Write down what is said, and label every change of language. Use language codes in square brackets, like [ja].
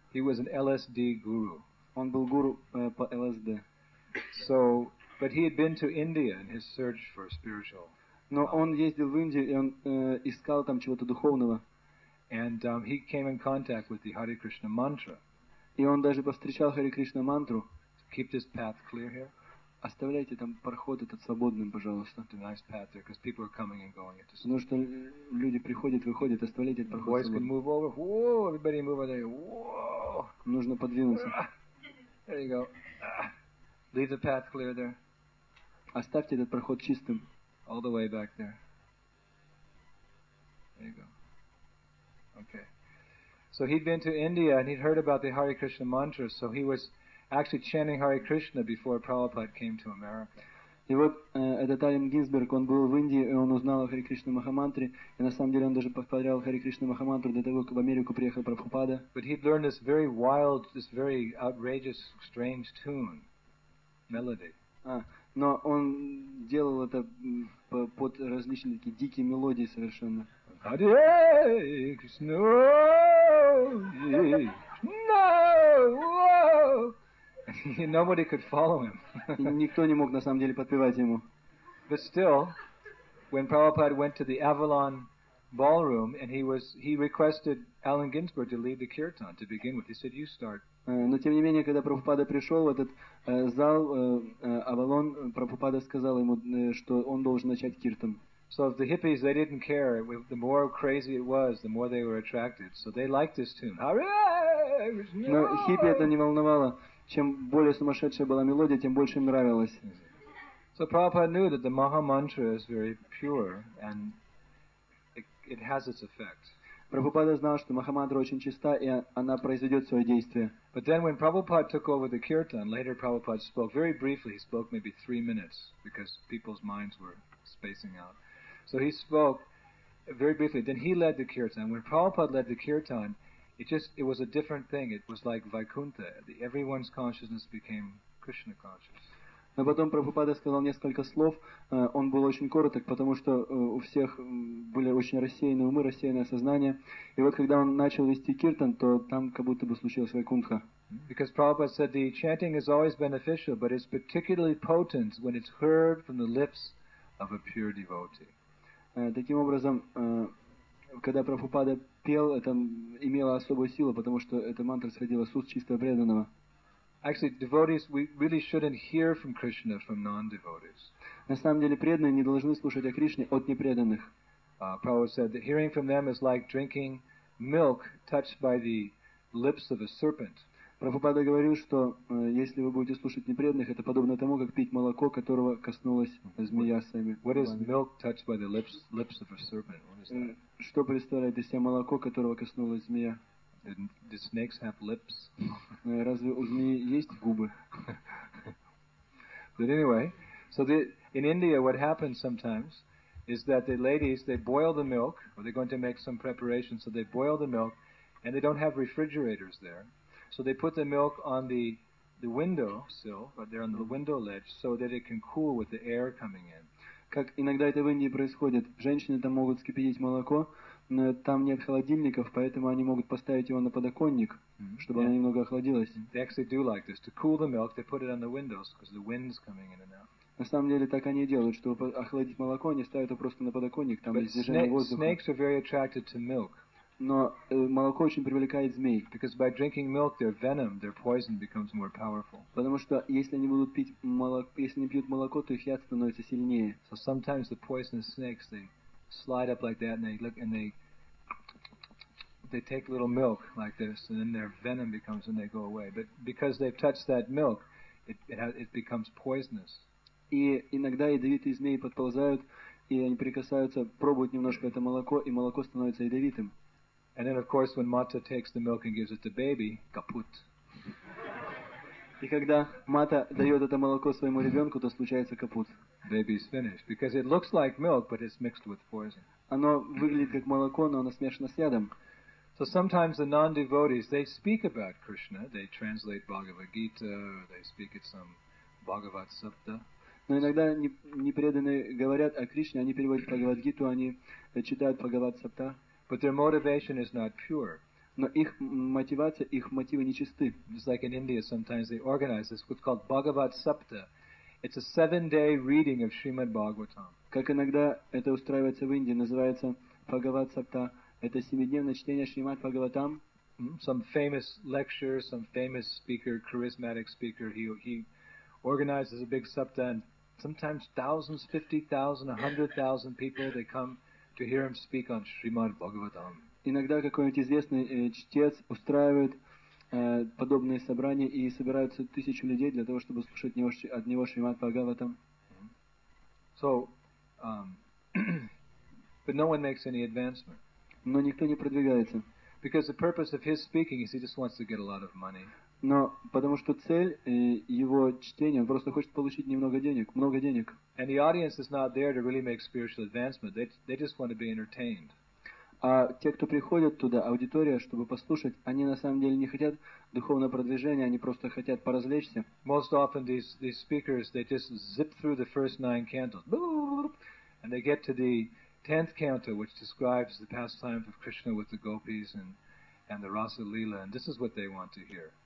[en] He was an LSD guru. [ru] Он был гуру по LSD. [en] So, but he had been to India in his search for spiritual. [ru] Но он ездил в Индию, и он искал там чего-то духовного. [en] And he came in contact with the Hare Krishna mantra. [ru] И он даже повстречал Hare Krishna мантру. [en] Keep this path clear here. [ru] Оставляйте там проход этот свободным, пожалуйста. [en] The nice path there, because people are coming and going. [ru] Потому что люди приходят, выходят, оставляйте этот проход. [en] Voice can move over. Whoa, everybody move over there. Whoa. [ru] Нужно подвинуться. [en] There you go. Leave the path clear there. [ru] Оставьте этот проход чистым. [en] All the way back there. There you go. Okay. So he'd been to India and he'd heard about the Hare Krishna mantra, so he was actually chanting Hare Krishna before Prabhupada came to America. [ru] И вот этот Аллен Гинсберг, он был в Индии, и он узнал о Hare Krishna Mahamantra, и на самом деле он даже повторял Hare Krishna Mahamantra до того, как в Америку приехал Прабхупада. [en] But he'd learned this very wild, this very outrageous, strange tune. Melody. [ru] Но он делал это под различные такие дикие мелодии совершенно. [en] Hare Krishna, no, nobody could follow him. [ru] Никто не мог на самом деле подпевать ему. [en] But still, when Prabhupada went to the Avalon Ballroom and he requested Allen Ginsberg to lead the kirtan to begin with. He said, "You start." [ru] Но тем не менее, когда Прабхупада пришел в этот зал Авалон, Прабхупада сказал ему, что он должен начать киртан. [en] So the hippies, they didn't care. The more crazy it was, the more they were attracted. So they liked this tune. Hare Krishna! [ru] Но хиппи это не волновало. Чем более сумасшедшая была мелодия, тем больше им нравилось. [en] So Prabhupada knew that the Maha Mantra is very pure and it has its effect. [ru] Прабхупада знал, что Махамантра очень чиста, и она произведет свое действие. [en] But then when Prabhupada took over the kirtan, later Prabhupada spoke very briefly. He spoke maybe 3 minutes because people's minds were spacing out. So he spoke very briefly. Then he led the kirtan. When Prabhupada led the kirtan, it was a different thing. It was like Vaikuntha. Everyone's consciousness became Krishna conscious. [ru] Но потом Прабхупада сказал несколько слов, он был очень короток, потому что у всех были очень рассеянные умы, рассеянное сознание. И вот когда он начал вести киртан, то там как будто бы случилась Вайкунтха. [en] Because Prabhupada said the chanting is always beneficial, but it's particularly potent when it's heard from the lips of a pure devotee. [ru] Таким образом, когда Прабхупада пел, это имело особую силу, потому что эта мантра сходила с уст чистого преданного. [en] Actually, devotees, we really shouldn't hear from Krishna from non-devotees. [ru] На самом деле, преданные не должны слушать о Кришне от непреданных. [en] Prabhupada said that hearing from them is like drinking milk touched by the lips of a serpent. [ru] Прабхупада говорил, что если вы будете слушать непреданных, это подобно тому, как пить молоко, которого коснулась змея своими губами. [en] What is milk touched by the lips of a serpent? What is that? [ru] Что представляет из себя молоко, которого коснулась змея? [en] Do snakes have lips? [ru] Разве у змеи есть губы? [en] But anyway, so in India, what happens sometimes is that the ladies, they boil the milk, or they're going to make some preparation, so they boil the milk, and they don't have refrigerators there. So they put the milk on the window sill, but they're on the window ledge, so that it can cool with the air coming in. [ru] Как иногда это в Индии происходит, женщины там могут скипятить молоко, но там нет холодильников, поэтому они могут поставить его на подоконник, чтобы оно немного охладилось. [en] They actually do like this. To cool the milk, they put it on the windows, because the wind's coming in and out. [ru] На самом деле так они и делают, чтобы охладить молоко, они ставят его просто на подоконник, там есть движение воздуха. [en] But snakes are very attracted to milk. [ru] Но молоко очень привлекает змей. [en] Because by drinking milk, their venom, their poison becomes more powerful. [ru] Потому что если они будут пить молоко, если они пьют молоко, то их яд становится сильнее. [en] So sometimes the poisonous snakes they slide up like that and they look and they take a little milk like this and then their venom becomes and they go away. But because they've touched that milk, it becomes poisonous. [ru] И иногда ядовитые змеи подползают и они прикасаются, пробуют немножко это молоко и молоко становится ядовитым. [en] And then, of course, when Mata takes the milk and gives it to baby, kaput. [ru] И когда Мата дает это молоко своему ребенку, то случается капут. [en] Baby's finished because it looks like milk, but it's mixed with poison. [ru] Оно выглядит как молоко, но оно смешано с ядом. [en] So sometimes the non-devotees they speak about Krishna, they translate Bhagavad Gita, or they speak at some Bhagavat Sapta. [ru] Но иногда непреданные говорят о Кришне, они переводят Бхагавад Гиту, они читают Бхагавад Сапта. [en] But their motivation is not pure. [ru] Но их мотивация, их мотивы нечисты. [en] Just like in India, sometimes they organize this, what's called Bhagavad Sapta. It's a seven-day reading of Srimad Bhagavatam. [ru] Как иногда это устраивается в Индии, называется Бхагавад Сапта. Это семидневное чтение Шримад Бхагаватам. [en] Some famous lecture, some famous speaker, charismatic speaker, he organizes a big sapta, and sometimes thousands, 50,000, 100,000 people, they come to hear him speak on Srimad Bhagavatam. [ru] Иногда какой-нибудь известный чтец устраивает подобные собрания и собираются тысячи людей для того, чтобы слушать от него Шримад Бхагаватам. [en] So, but no one makes any advancement. [ru] Но никто не продвигается. [en] Because the purpose of his speaking is he just wants to get a lot of money. [ru] Но потому что цель его чтения, он просто хочет получить немного денег, много денег. [en] And the audience is not there to really make spiritual advancement. They just want to be entertained. [ru] А те, кто приходят туда, аудитория, чтобы послушать, они на самом деле не хотят духовного продвижения, они просто хотят поразвлечься. [en] Most often these speakers they just zip through the first nine cantos, and they get to the 10th canto, which describes the pastime of Krishna with the gopis and the Rasa Lila, and this is what they want to hear.